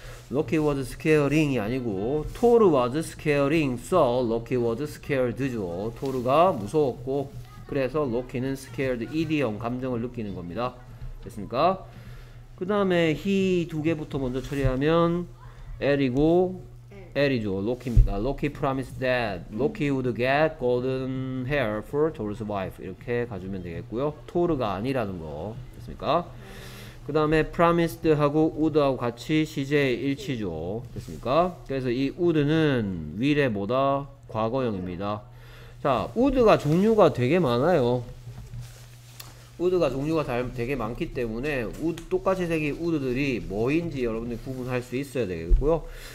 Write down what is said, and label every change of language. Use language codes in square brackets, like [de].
[en] Lucky was scaring [ko] 이 아니고 [en] Thor was scaring, so Lucky was scared죠. [ko] Thor가 무서웠고 그래서 Lucky는 scared, idiom, 감정을 느끼는 겁니다. 됐습니까? 그 다음에 he 두 개부터 먼저 처리하면 L이고 L이죠. Lucky입니다. [en] Lucky promised that Lucky would get golden hair for Thor's wife. [ko] 이렇게 가주면 되겠고요. Thor가 아니라는 거 됐습니까? 그 다음에 promised 하고 would 하고 같이 시제 일치죠. 됐습니까? 그래서 이 would는 will의 뭐다? 과거형입니다. 자, would가 종류가 되게 많아요. would가 종류가 되게 많기 때문에 똑같이 생긴 would들이 뭐인지 여러분들이 구분할 수 있어야 되겠고요.